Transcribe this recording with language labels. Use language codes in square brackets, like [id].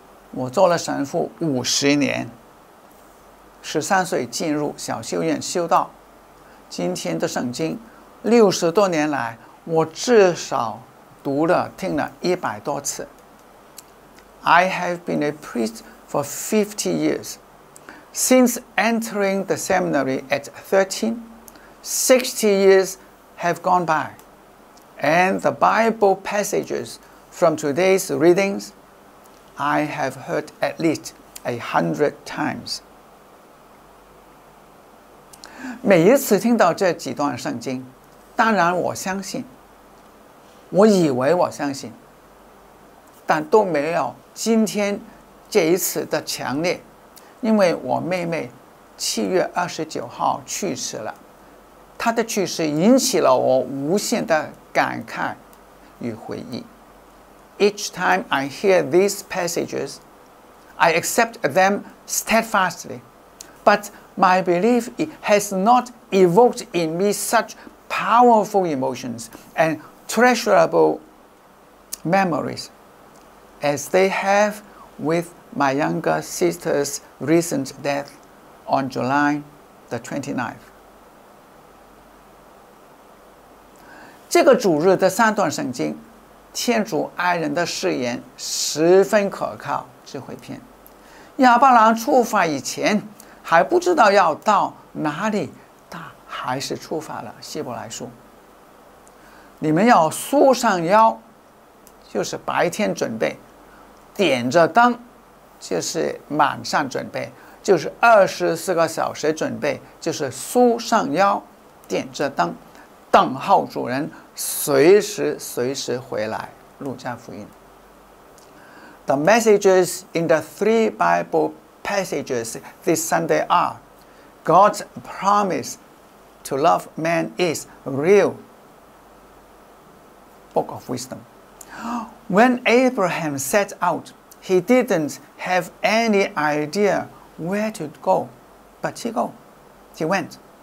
[zh] 我做了神父50年，13岁进入小修院修道，今天的圣经60多年来，我至少读了、听了100多次。 [en] I have been a priest for 50 years. Since entering the seminary at 13, 60 years have gone by. And the Bible passages from today's readings, I have heard at least 100 times. [zh] 每一次听到这几段圣经，当然我相信，我以为我相信，但都没有今天这一次的强烈。因为我妹妹7月29号去世了，她的去世引起了我无限的感慨与回忆。 [en] Each time I hear these passages, I accept them steadfastly, but my belief has not evoked in me suchpowerful emotions and treasurable memories as they have with my younger sister's recent death on July the 29th. [zh] 这个主日的三段圣经，天主爱人的誓言十分可靠，智慧篇。亚伯兰出发以前还不知道要到哪里，还是触发了希伯来书。你们要束上腰，就是白天准备，点着灯，就是晚上准备，就是24个小时准备，就是束上腰，点着灯，等候主人随时随时回来。路加福音。 [en] The messages in the three Bible passages this Sunday are God's promiseTo love man is real. Book of Wisdom. When Abraham set out, he didn't have any idea where to go, but he went.